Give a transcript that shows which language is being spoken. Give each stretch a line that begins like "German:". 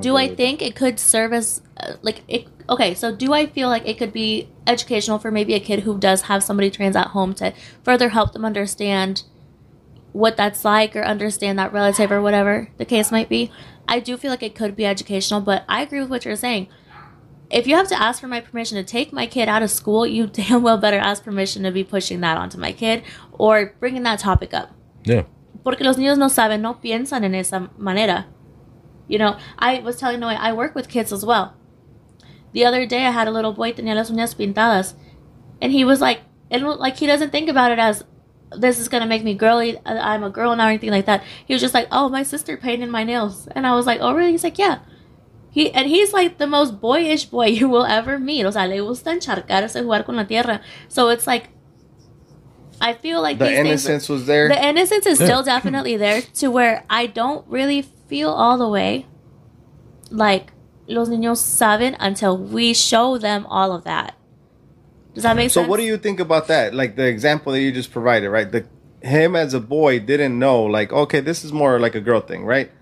English: Do I think it could serve as, like, it? Okay, so do I feel like it could be educational for maybe a kid who does have somebody trans at home to further help them understand what that's like or understand that relative or whatever the case might be? I do feel like it could be educational, but I agree with what you're saying. If you have to ask for my permission to take my kid out of school, you damn well better ask permission to be pushing that onto my kid or bringing that topic up. Yeah.
Spanish: Porque los niños no saben, no piensan en esa manera.
English: You know, I was telling Noe, I work with kids as well. The other day, I had a little boy,
Spanish: tenía las uñas pintadas.
English: And he was like, he doesn't think about it as, this is going to make me girly. I'm a girl now or anything like that. He was just like, oh, my sister painted my nails. And I was like, oh, really? He's like, yeah. And he's like the most boyish boy you will ever meet.
Spanish: O sea, le gusta encharcarse, jugar con la tierra.
English: So it's like, I feel like the innocence was there. The innocence is still definitely there to where I don't really feel all the way like
Spanish: los niños saben
English: until we show them all of that. Does that make sense? So what do you think about that? Like the example that you just provided, right? The him as a boy didn't know, like, okay, this is more like a girl thing, right?